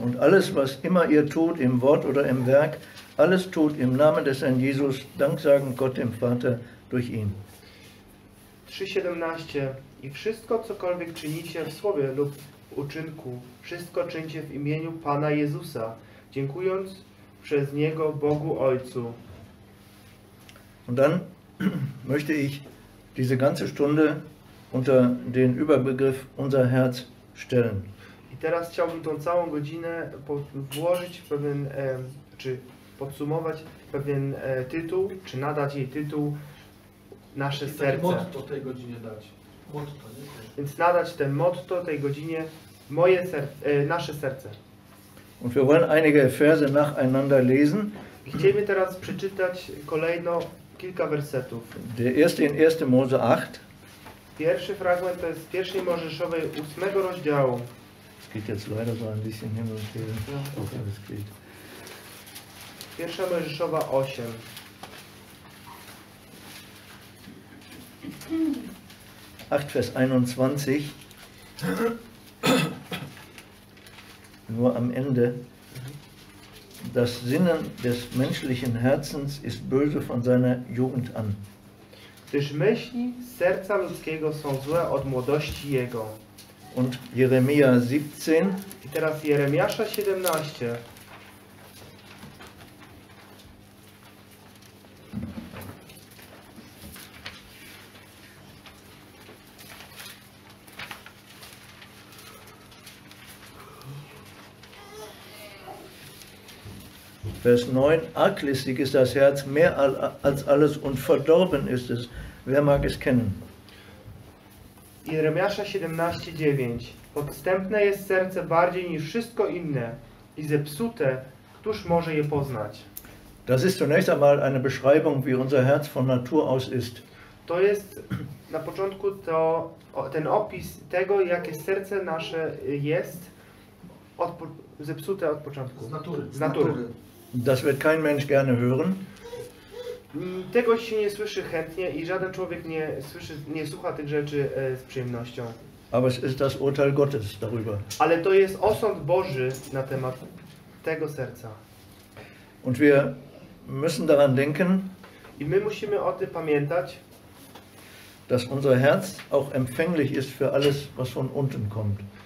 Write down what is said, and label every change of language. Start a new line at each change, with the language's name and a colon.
German: Und alles, was immer ihr tut, im Wort oder im Werk, alles tut im Namen des Herrn Jesus, danksagend Gott dem Vater durch ihn. 3,17.
Polish: I wszystko, cokolwiek czynicie w słowie lub uczynku, wszystko czyńcie w imieniu Pana Jezusa, dziękując przez Niego Bogu Ojcu.
German: Und dann möchte ich diese ganze Stunde unter den Überbegriff unser Herz stellen.
Polish: I teraz chciałbym tą całą godzinę włożyć w pewien, czy podsumować pewien tytuł, czy nadać jej tytuł Nasze serce. Motto tej godzinie dać. Motto, nie? Więc nadać ten motto tej godzinie moje serce, nasze serce.
German: Und wir wollen einige Verse nacheinander lesen.
Polish: Chcemy teraz przeczytać kolejno kilka wersetów.
German: Der erste in 1. Mose 8.
Polish: Pierwszy fragment to jest z pierwszej Mojżeszowej 8 rozdziału.
German: Es geht jetzt leider so ein bisschen hin und her. Okay. Es geht.
Polish: Pierwsza Mojżeszowa 8.
German: Vers 21. Nur am Ende. Das Sinnen des menschlichen Herzens ist böse von seiner Jugend an.
Polish: Gdyż myśli serca ludzkiego są złe od młodości jego.
German: Und Jeremia 17.
Polish: I teraz Jeremiasza 17.
German: Vers 9, arglistig ist das Herz mehr als alles und verdorben ist es. Wer mag es kennen?
Polish: Jeremiasza 17,9. Podstępne jest serce bardziej niż wszystko inne i zepsute, któż może je poznać?
German: Das ist zunächst einmal eine Beschreibung, wie unser Herz von Natur aus ist.
Polish: To jest na początku to, ten opis tego, jakie serce nasze jest od, zepsute od początku. Z natury.
German: Das wird kein Mensch gerne hören.
Polish: Tego się nie słyszy chętnie i żaden człowiek nie słyszy, nie słucha tych rzeczy z przyjemnością.
German: Aber es ist das Urteil Gottes darüber.
Polish: Ale to jest osąd Boży na temat tego serca.
German: Und wir müssen daran denken,
Polish: i my musimy o tym pamiętać,
German: dass unser Herz auch empfänglich ist für alles, was von unten kommt.